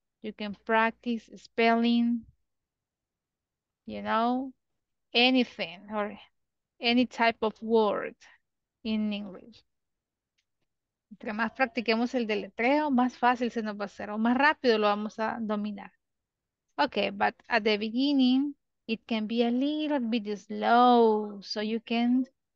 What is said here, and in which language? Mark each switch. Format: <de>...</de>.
<en>You can practice spelling, you know, anything or any type of word in English.</en> <es>Entre más practiquemos el deletreo, más fácil se nos va a hacer o más rápido lo vamos a dominar.</es> <en>Okay, but at the beginning, it can be a little bit slow so you can</en>